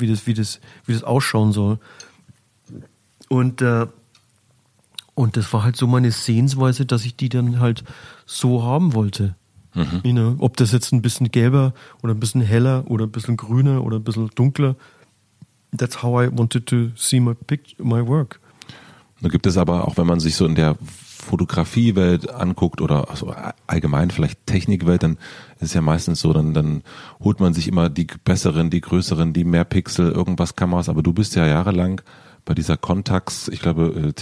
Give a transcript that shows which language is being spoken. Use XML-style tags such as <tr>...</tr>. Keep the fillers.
<de>Wie das wie das wie das ausschauen soll. Und äh, und das war halt so meine Sehensweise, dass ich die dann halt so haben wollte.</de> <en>You know,</en> <de>ob das jetzt ein bisschen gelber oder ein bisschen heller oder ein bisschen grüner oder ein bisschen dunkler.</de> <en>That's how I wanted to see my pict my work.</en> <de>Nun gibt es aber, auch wenn man sich so in der Fotografiewelt anguckt oder also allgemein vielleicht Technikwelt, dann ist es ja meistens so, dann, dann holt man sich immer die besseren, die größeren, die mehr Pixel, irgendwas Kameras, aber du bist ja jahrelang bei dieser Contax, ich glaube äh,</de>